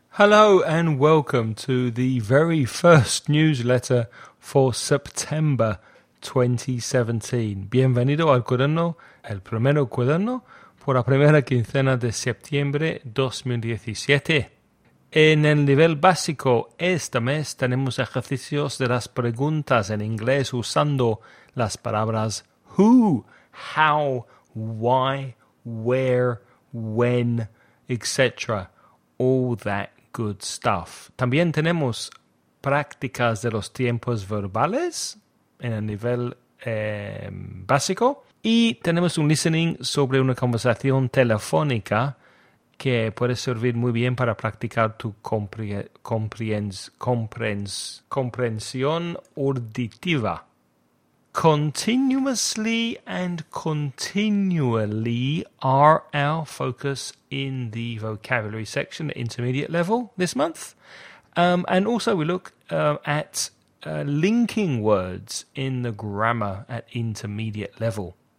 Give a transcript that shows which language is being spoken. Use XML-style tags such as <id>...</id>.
<en>Hello and welcome to the very first newsletter for September 2017.</en> <es>Bienvenido al cuaderno, el primer cuaderno, por la primera quincena de septiembre 2017. En el nivel básico, este mes tenemos ejercicios de las preguntas en inglés usando las palabras</es> <en>who, how, why, where, when,</en> <es>etc.</es> <en>All that good stuff.</en> <es>También tenemos prácticas de los tiempos verbales en el nivel básico. Y tenemos un listening sobre una conversación telefónica que puede servir muy bien para practicar tu comprensión auditiva.</es> <en>Continuously and continually are our focus in the vocabulary section at intermediate level this month. And also we look at linking words in the grammar at intermediate level.</en>